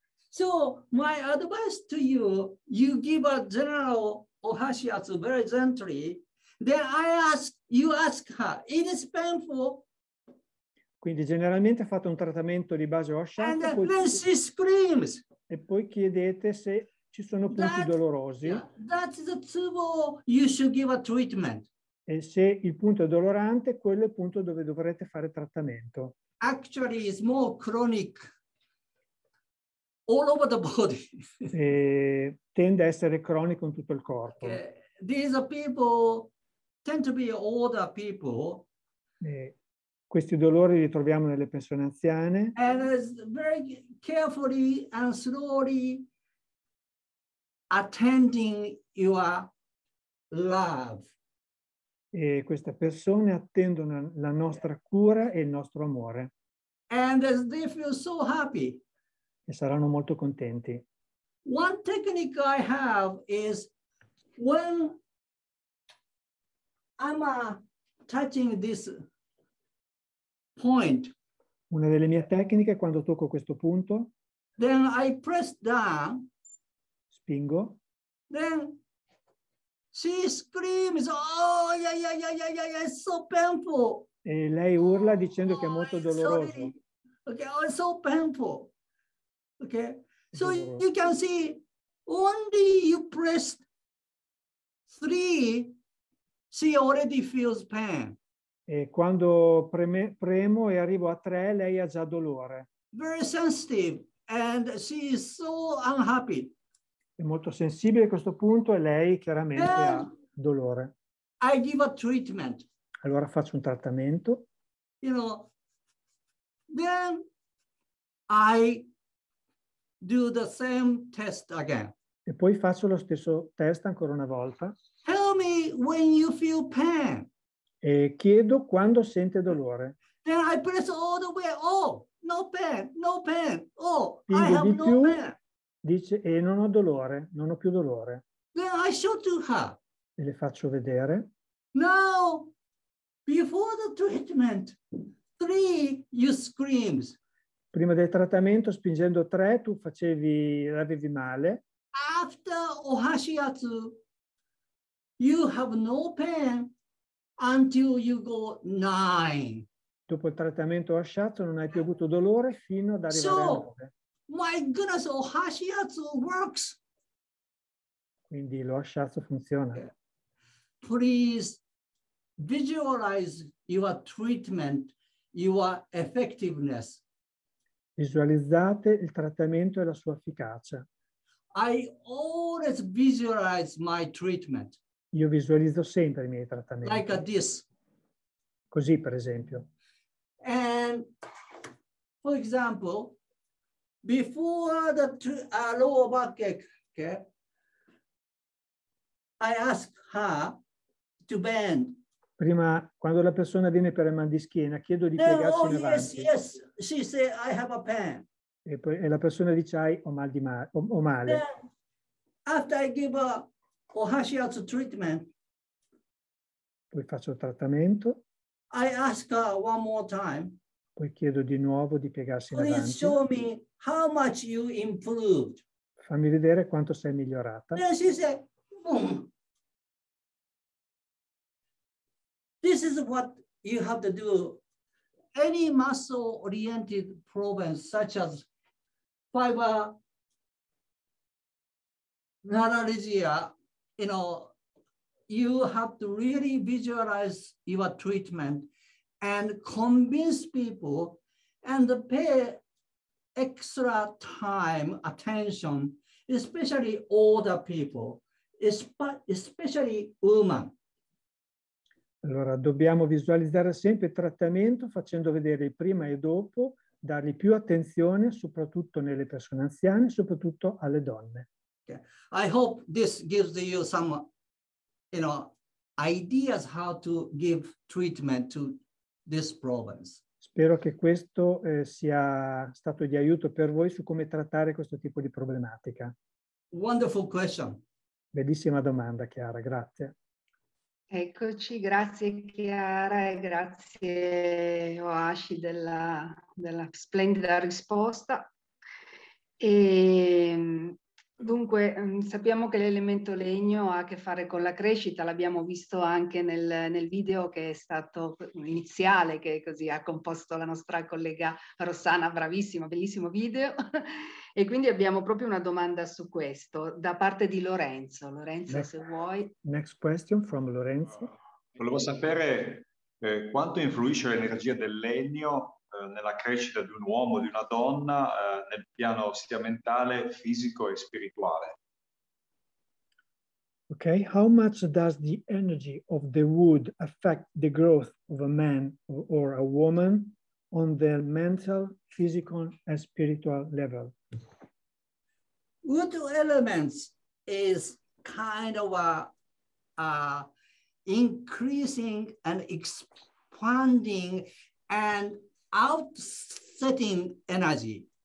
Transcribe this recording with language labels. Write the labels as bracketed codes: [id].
[en] So my advice to you, you give a general ohashiatsu very gently. Then you ask her, it is painful. [it] Quindi generalmente fate un trattamento di base ohashiatsu. [en] And then she screams. [it] E poi chiedete se ci sono punti dolorosi. [en] That is the tsubo you should give a treatment. [it] E se il punto è dolorante, quello è il punto dove dovrete fare trattamento. [en] Actually, it's more chronic all over the body. [it] E tende a essere cronico in tutto il corpo. [en] These people tend to be older people. [it] Questi dolori li troviamo nelle persone anziane. [en] And very carefully and slowly attending your love. [it] E queste persone attendono la nostra cura e il nostro amore. [en] And they feel so happy. [it] E saranno molto contenti. [en] One technique I have is when I'm touching this point. [it] Una delle mie tecniche è quando tocco questo punto. [en] Then I press down. [it] Spingo. [en] Then she screams, oh, yeah, it's so painful. [it] E lei urla dicendo che è molto doloroso. [en] Okay, oh, it's so painful. Okay, so you can see, only you press 3, she already feels pain. [it] E quando premo e arrivo a 3, lei ha già dolore. [en] Very sensitive, and she is so unhappy. [it] È molto sensibile a questo punto e lei chiaramente ha dolore. [en] I give a treatment. [it] Allora faccio un trattamento. [en] You know, then I do the same test again. [it] E poi faccio lo stesso test ancora una volta. [en] Tell me when you feel pain. [it] E chiedo quando sente dolore. [en] Then I press all the way. Oh, no pain, no pain. Oh, [it] quindi [en] I have no [it] più, [en] pain. [it] Dice, e non ho dolore, non ho più dolore. [en] Then I show to her. [it] E le faccio vedere. [en] Now, before the treatment, 3, you screams. [it] Prima del trattamento, spingendo 3, tu facevi, avevi male. [en] After Ohashiatsu, you have no pain until you go 9. [it] Dopo il trattamento Ohashiatsu, non hai più avuto dolore fino ad arrivare a 9. [en] My goodness, Ohashiatsu works. [it] Quindi lo Ohashiatsu funziona. [en] Please visualize your treatment, your effectiveness. [it] Visualizzate il trattamento e la sua efficacia. [en] I always visualize my treatment. [it] Io visualizzo sempre i miei trattamenti. [en] Like this. [it] Così, per esempio. [en] And for example, before the lower back ache, okay, I ask her to bend. [it] Prima, quando la persona viene per il mal di schiena, chiedo di piegarsi in avanti. [en] Yes, yes, she said I have a pain. [it] E poi e la persona dice hai ho mal di mare, ho male. [en] Then, after I give a Ohashiatsu treatment, [it] poi faccio il trattamento. [en] I ask her one more time. [it] Poi chiedo di nuovo di piegarsi in avanti. [en] Please show me how much you improved. [it] Fammi vedere quanto sei migliorata. [en] Then she said, this is what you have to do. Any muscle-oriented problems such as fiber, analgesia, you know, you have to really visualize your treatment and convince people and pay extra time, attention, especially older people, especially women. [it] Allora, dobbiamo visualizzare sempre il trattamento facendo vedere il prima e dopo, dargli più attenzione, soprattutto nelle persone anziane, soprattutto alle donne. [en] Okay. I hope this gives you some, you know, ideas how to give treatment to this problem. [it] Spero che questo sia stato di aiuto per voi su come trattare questo tipo di problematica. [en] Wonderful question. [it] Bellissima domanda, Chiara, grazie. Eccoci, grazie Chiara e grazie Ohashi della splendida risposta. E, dunque, sappiamo che l'elemento legno ha a che fare con la crescita, l'abbiamo visto anche nel video che è stato iniziale, che così ha composto la nostra collega Rossana, bravissimo, bellissimo video. E quindi abbiamo proprio una domanda su questo, da parte di Lorenzo. Lorenzo, [en] next, [it] se vuoi. [en] Next question from Lorenzo. [it] Volevo sapere quanto influisce l'energia del legno nella crescita di un uomo o di una donna nel piano sia mentale, fisico e spirituale. [en] Ok, how much does the energy of the wood affect the growth of a man or a woman on the mental, physical and spiritual level? Wood elements is kind of a increasing and expanding and outsetting energy.